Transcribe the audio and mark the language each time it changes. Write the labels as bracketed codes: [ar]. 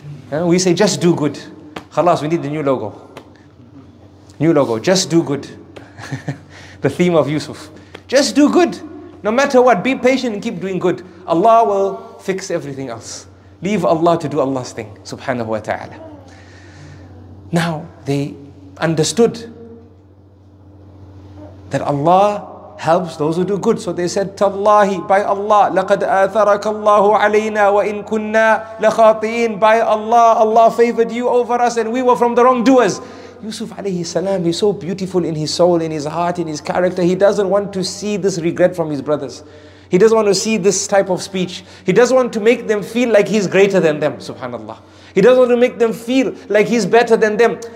[en] We say, just do good. Khalas, we need the new logo. New logo, just do good. The theme of Yusuf. Just do good. No matter what, be patient and keep doing good. Allah will fix everything else. Leave Allah to do Allah's thing, subhanahu wa ta'ala. Now, they understood that Allah helps those who do good. So they said, [ar] Tallahi, [en] by Allah, [ar] لَقَدْ آثَرَكَ اللَّهُ عَلَيْنَا وَإِن كُنَّا لَخَاطِئِينَ. [en] By Allah, Allah favored you over us and we were from the wrongdoers. Yusuf alayhi salam, he's so beautiful in his soul, in his heart, in his character. He doesn't want to see this regret from his brothers. He doesn't want to see this type of speech. He doesn't want to make them feel like he's greater than them, subhanallah. He doesn't want to make them feel like he's better than them.